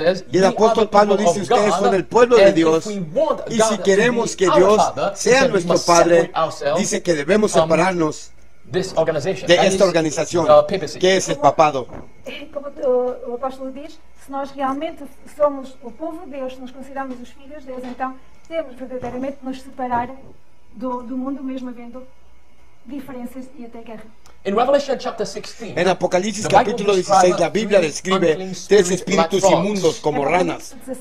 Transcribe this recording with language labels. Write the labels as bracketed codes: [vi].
[es] Y el apóstol Pablo dice, ustedes son el pueblo de Dios, y si queremos que Dios sea nuestro Padre, dice que debemos separarnos de esta organización, que es el papado. [pt] Como o apóstolo diz, se nós realmente somos o povo de Deus, se nos consideramos os filhos de Deus, então temos verdadeiramente de nos separar do mundo, mesmo havendo diferenças e até guerra. [es] En Apocalipsis capítulo 16, la Biblia describe tres espíritus inmundos como ranas.